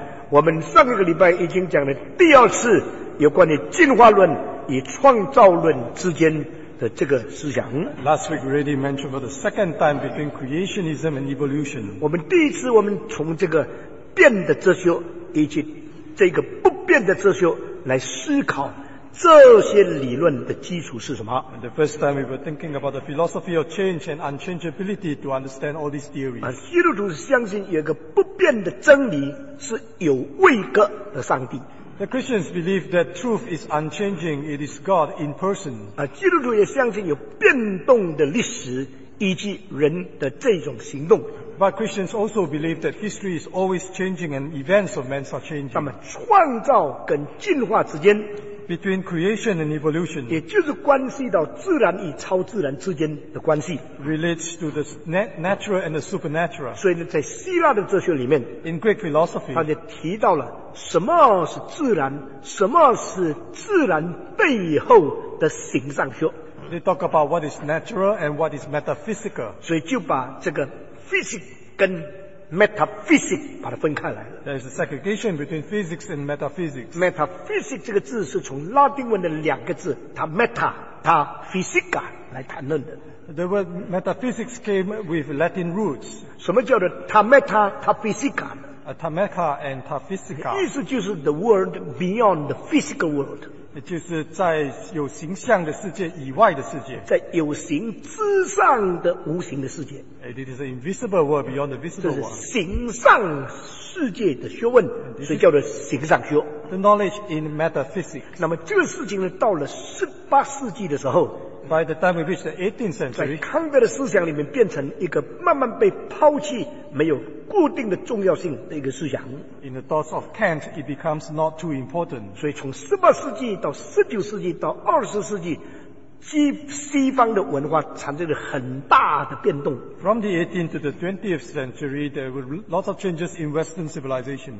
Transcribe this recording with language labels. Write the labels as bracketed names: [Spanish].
[Chinese] 我们上一个礼拜已经讲了第二次有关于进化论与创造论之间的这个思想。 [English] Last week we already mentioned for the second time between creationism and evolution. [Chinese] 我们第一次我们从这个变的哲学以及这个不变的哲学来思考这些理论的基础是什么。 [English] And the first time we were thinking about the philosophy of change and unchangeability to understand all these theories. [Chinese] 基督徒相信有个不变的真理是有位格的上帝。 [English] The Christians believe that truth is unchanging, it is God in person. [Chinese] 基督徒也相信有变动的历史以及人的这种行动。 [English] But Christians also believe that history is always changing and events of man are changing. [Chinese] 那么创造跟进化之间 [English] Between creation and evolution, [Chinese] 也就是关系到自然与超自然之间的关系 [English] relates to the natural and the supernatural. [Chinese] 所以呢，在希腊的哲学里面 [English] in Greek philosophy, [Chinese] 他就提到了什么是自然，什么是自然背后的形上学。 [English] They talk about what is natural and what is metaphysical. [Chinese] 所以就把这个 physics 跟 metaphysics 把它分开来了。 [English] There is a segregation between physics and metaphysics. [Chinese] Metaphysics 这个字是从拉丁文的两个字，它 meta， 它 physica 来谈论的。 [English] The word metaphysics came with Latin roots. [Chinese] 什么叫做 ta meta ta physica？ [English] Ta meta and ta physica. [Chinese] 意思就是 [English] the world beyond the physical world. [Chinese] 就是在有形象的世界以外的世界，在有形之上的无形的世界。 [English] It is an invisible world beyond the visible world. [Chinese] 这是形上。世界的学问，所以叫做形上学。 [English] The knowledge in metaphysics. [Chinese] 那么这个事情呢，到了十八世纪的时候 [English] ，By the time we reached the 18th century， [Chinese] 在康德的思想里面变成一个慢慢被抛弃、没有固定的重要性的一个思想。 [English] In the thoughts of Kant, it becomes not too important. [Chinese] 所以从十八世纪到十九世纪到二十世纪。西方的文化产生了很大的变动。 [English] From the 18th to the 20th century, there were lots of changes in Western civilization.